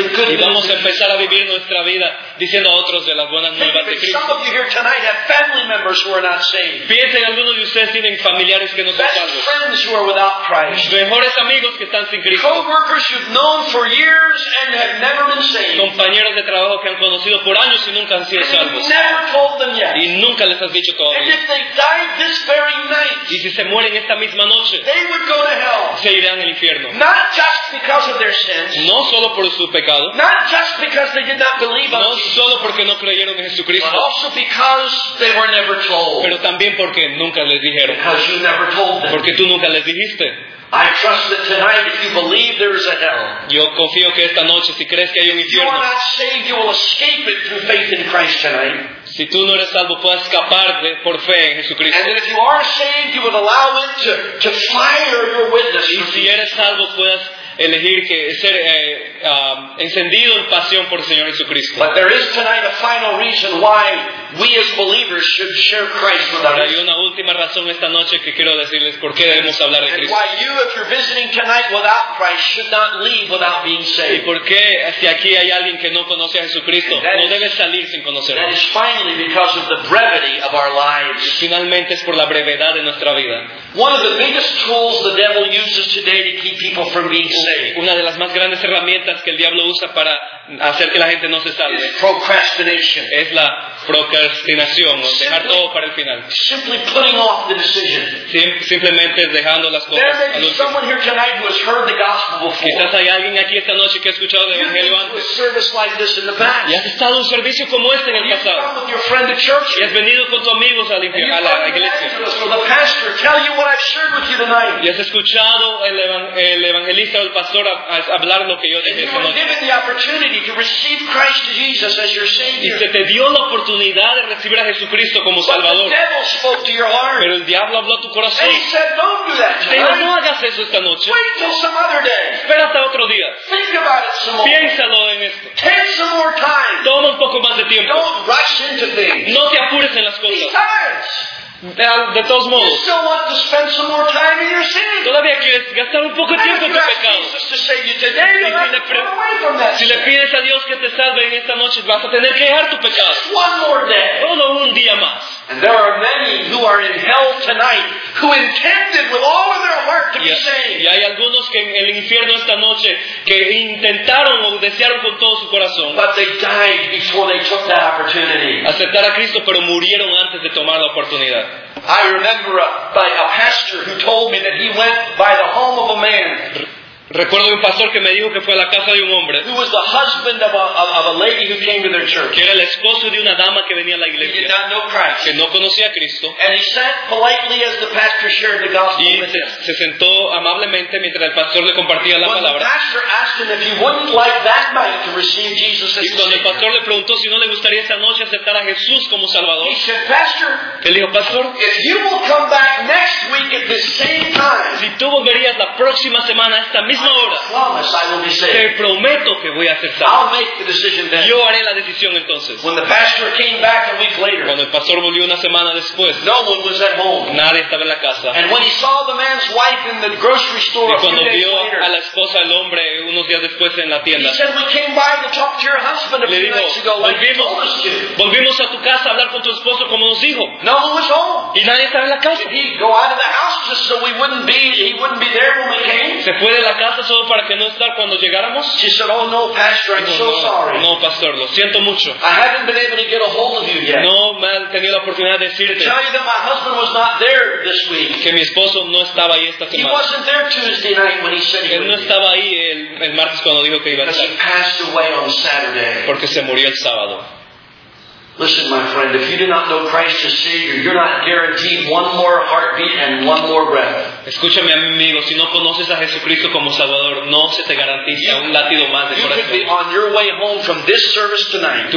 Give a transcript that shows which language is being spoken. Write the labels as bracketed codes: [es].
[es] Y vamos a empezar a vivir nuestra vida diciendo a otros de las buenas nuevas de Cristo. [en] Some of you here tonight have family members who are not saved. [es] Piensen, algunos de ustedes tienen familiares que no son salvos. [en] Best friends who are without Christ. [es] Mejores amigos que están sin Cristo. [en] Co-workers you've known for years and have never been saved. [es] Compañeros de trabajo que han conocido por años y nunca han sido salvos. [en] And never told them yet. [es] Y nunca les has dicho todavía. [en] And if they died this very night, [es] y si se mueren esta misma noche, [en] would go to hell. [es] Se irán al infierno. [en] Not just because of their sins. [es] No solo por su pecado. [en] Not just because they did not believe on Jesus. [es] No solo porque no creyeron en Jesucristo. [en] But also because they were never told. [es] Pero también porque nunca les dijeron. [en] Because you never told them. [es] Porque tú nunca les dijiste. [en] I trust that tonight, if you believe there is a hell. [es] Yo confío que esta noche, si crees que hay un infierno. [en] If you are not saved, you will escape it through faith in Christ tonight. [es] Si tú no eres salvo, puedes escapar por fe en Jesucristo. [en] And if you are saved, you would allow it to fire your witness. [es] Y si eres salvo, puedes elegir que ser encendido en pasión por el Señor Jesucristo. [en] But there is tonight a final reason why we as believers should share Christ with others. [es] Hay una última razón esta noche que quiero decirles por qué debemos hablar de Cristo. [en] Why you, if you're visiting tonight without Christ, should not leave without being saved. [es] Y por qué si aquí hay alguien que no conoce a Jesucristo, no debe salir sin conocerlo. [en] That is finally because of the brevity of our lives. [es] Finalmente es por la brevedad de nuestra vida. [en] One of the biggest tools the devil uses today to keep people from being saved. [es] Una de las más grandes herramientas herramientas que el diablo usa para hacer que la gente no se salve. [en] It's procrastination. [es] Es la procrastinación, o dejar [en] simply, [es] todo para el final. [en] Simply putting off the decision. [es] Simplemente dejando las cosas. [en] There may be someone here tonight who has heard the gospel before. [es] Quizás hay alguien aquí esta noche que ha escuchado el evangelio antes. [en] You've been to a service like this in the past. [es] Y has estado un servicio como este en el pasado. [en] You've come with your friend to church. [es] Y has venido con tus amigos a la iglesia. [en] The pastor tell you what I've shared with you tonight. [es] Y has escuchado el evangelista o el pastor hablar lo que yo dije esta noche. [en] Given the opportunity to receive Christ Jesus as your Savior. [es] Y se te dio la oportunidad de recibir a Jesucristo como Salvador. [en] But the devil spoke to your heart. [es] Pero el diablo habló a tu corazón. [en] And he said, "Don't do that tonight. [es] Pero no hagas eso esta noche. [en] Wait till some other day. [es] Espera hasta otro día. [en] Think about it some more. [es] Piénsalo en esto. [en] Take some more time. [es] Toma un poco más de tiempo. [en] Don't rush into things. [es] No te apures en las cosas. De todos modos, [en] you still want to spend some more time in your sin. [es] Todavía quieres gastar un poco de tiempo en tu pecado. Si le pides a Dios que te salve en esta noche, vas a tener que dejar tu pecado. [en] One more day. [es] Solo un día más. [en] And there are many who are in hell tonight who intended with all of their heart to be saved. [es] Y hay algunos que en el infierno esta noche que intentaron o desearon con todo su corazón. [en] But they died before they took that opportunity. [es] Aceptar a Cristo, pero murieron antes de tomar la oportunidad. [en] I remember a pastor who told me that he went by the home of a man. [es] Recuerdo un pastor que me dijo que fue a la casa de un hombre. [en] Who was the husband of a lady who came to their church. [es] Que era el esposo de una dama que venía a la iglesia. [en] He did not know Christ. [es] Que no conocía a Cristo. [en] And he sat politely as the pastor shared the gospel with him. [es] Y se sentó amablemente mientras el pastor le compartía la palabra. [en] When the pastor asked him if he wouldn't like that night to receive Jesus as Savior. [es] Y cuando el pastor le preguntó si no le gustaría esta noche aceptar a Jesús como Salvador. [en] He said, "Pastor." [es] Él dijo, pastor. [en] If you will come back next week at the same time. [es] Si tú volverías la próxima semana esta misma. [en] I promise I will be saved. [es] Te prometo que voy a ser salvo. [en] I'll make the decision then. [es] Yo haré la decisión entonces. [en] When the pastor came back a week later, [es] cuando el pastor volvió una semana después, [en] no one was at home. [es] Nadie estaba en la casa. [en] And when he saw the man's wife in the grocery store, [es] y cuando [en] a few [es] vio [en] days later, [es] a la esposa del hombre unos días después en la tienda, [en] he said, "We came by to talk to your husband a few nights ago, [es] volvimos a tu casa a hablar con tu esposo como nos dijo. [en] No one was home. [es] Y nadie estaba en la casa. [en] Did he go out of the house just so he wouldn't be there when we came? [es] Se fue de la casa solo para que no estar cuando llegáramos." [en] She said, "Oh no, pastor, I'm so sorry." [es] No, pastor, lo siento mucho. [en] "I haven't been able to get a hold of you yet." [es] No me han tenido la oportunidad de decirte. [en] "To tell you that my husband was not there this week." [es] Que mi esposo no estaba ahí esta semana. [en] "He wasn't there Tuesday night when he said he [es] él no estaba ahí el martes cuando dijo que iba a estar. [en] "He passed away on Saturday." [es] Porque se murió el sábado. [en] Listen, my friend, if you do not know Christ as Savior, you're not guaranteed one more heartbeat and one more breath. [es] Escúchame, amigo, si no conoces a Jesucristo como Salvador, no se te garantiza un latido más de corazón. [en] You could be on your way home from this service tonight.